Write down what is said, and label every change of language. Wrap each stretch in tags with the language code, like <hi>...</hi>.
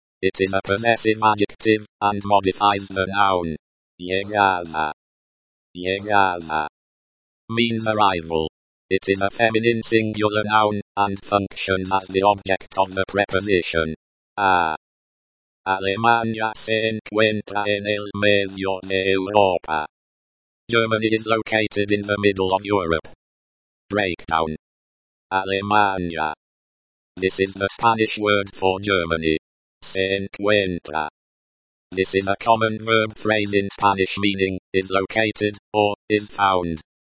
<en>It is a possessive adjective and modifies the noun llegada. Llegada means arrival. It is a feminine singular noun and functions as the object of the preposition a.</en> <es>Alemania se encuentra en el medio de Europa.</es> <en>Germany is located in the middle of Europe. Breakdown. Alemania. This is the Spanish word for Germany.</en> <es>Se encuentra.</es> <en>This is a common verb phrase in Spanish meaning, is located, or, is found.</en>